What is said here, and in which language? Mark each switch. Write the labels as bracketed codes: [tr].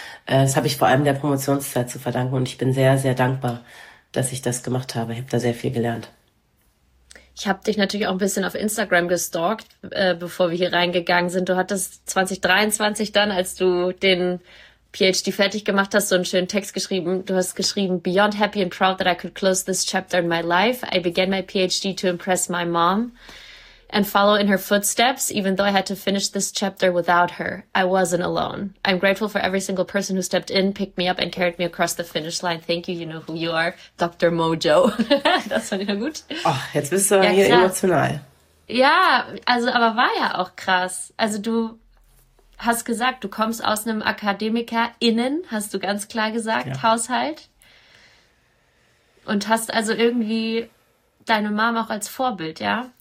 [de] Das habe ich vor allem der Promotionszeit zu verdanken. Und ich bin sehr, sehr dankbar, dass ich das gemacht habe. Ich habe da sehr viel gelernt. Ich habe dich natürlich auch ein bisschen auf Instagram gestalkt, bevor wir hier reingegangen sind. Du hattest 2023 dann, als du den PhD fertig gemacht hast, so einen schönen Text geschrieben. Du hast geschrieben, [en] "Beyond happy and proud that I could close this chapter in my life, I began my PhD to impress my mom and follow in her footsteps, even though I had to finish this chapter without her. I wasn't alone. I'm grateful for every single person who stepped in, picked me up and carried me across the finish line. Thank you, you know who you are, Dr. [de] Mojo." Das fand ich noch gut. Ach, jetzt bist du ja, hier krass. Emotional. Ja, also aber war ja auch krass. Also du hast gesagt, du kommst aus einem AkademikerInnen, hast du ganz klar gesagt, ja. Haushalt. Und hast also irgendwie deine Mom auch als Vorbild, ja?